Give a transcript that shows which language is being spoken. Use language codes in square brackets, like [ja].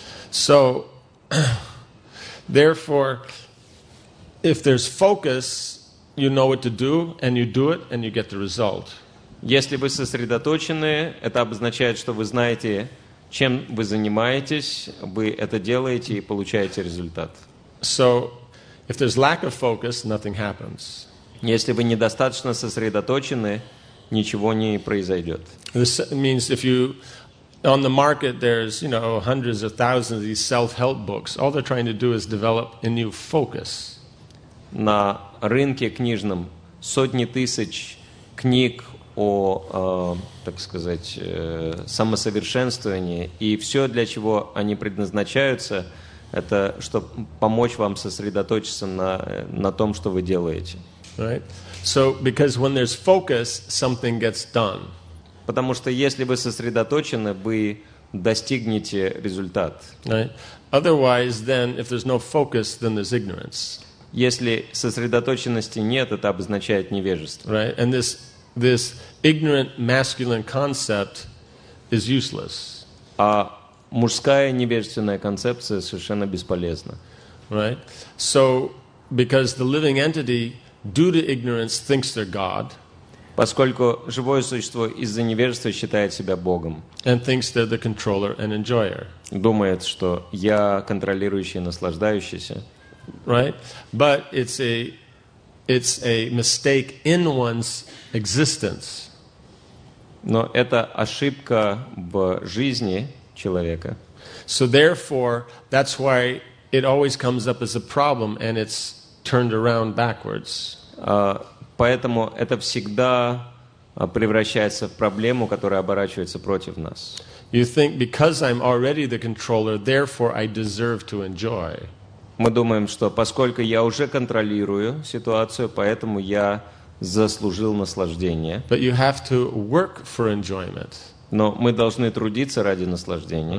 [en] So, therefore, if there's focus, you know what to do, and you do it, and you get the result. [ru] Если вы сосредоточены, это обозначает, что вы знаете, чем вы занимаетесь, вы это делаете и получаете результат. [en] So, if there's lack of focus, nothing happens. [ru] Если вы недостаточно сосредоточены, ничего не произойдет. [en] This means if you on the market there's, you know, hundreds of thousands of these self-help books. All they're trying to do is develop a new focus. [ru] На рынке книжном сотни тысяч книг о, так сказать, самосовершенствовании, и все, для чего они предназначаются, это чтобы помочь вам сосредоточиться на том, что вы делаете. [en] Right. So, because when there's focus, something gets done. [ru] Потому что если вы сосредоточены, вы достигнете результат. [en] Right. Otherwise, then, if there's no focus, then there's ignorance. [ru] Если сосредоточенности нет, это обозначает невежество. [en] Right. And this ignorant masculine concept is useless. [ru] А мужская невежественная концепция совершенно бесполезна. [en] Right. So, because the living entity due to ignorance thinks they're God. [ru] Поскольку живое существо из-за невежества считает себя Богом. [en] And thinks they're the controller and enjoyer. [ru] Думает, что я контролирующий и наслаждающийся. [en] Right? But it's a mistake in one's existence. [ru] Но это ошибка в жизни человека. [en] So therefore, that's why it always comes up as a problem and it's turned around backwards. [ru] Поэтому это всегда превращается в проблему, которая оборачивается против нас. [en] You think because I'm already the controller, therefore I deserve to enjoy. [ru] Мы думаем, что поскольку я уже контролирую ситуацию, поэтому я заслужил наслаждение. [en] But you have to work for enjoyment. [ru] Но мы должны трудиться ради наслаждения.